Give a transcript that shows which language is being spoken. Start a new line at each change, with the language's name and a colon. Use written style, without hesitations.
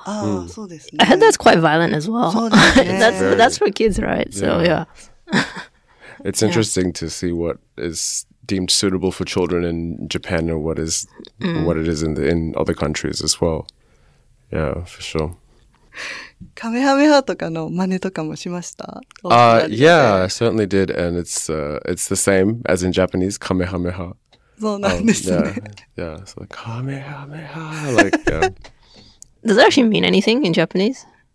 Japanese: Ah, so desu ne.
English: I heard that's quite violent as well. So that's for kids, right? Yeah. So yeah. It's interesting to see what is deemed suitable for children in Japan and what is what it is in other countries as well. Yeah, for sure.
Japanese: Kamehameha とかの真似とかもしました?
English: I certainly did, and it's the same as in Japanese, Kamehameha.
Japanese: そうなんですね。
English: Yeah, so like, Kamehameha, like, yeah. Does that actually mean anything in Japanese?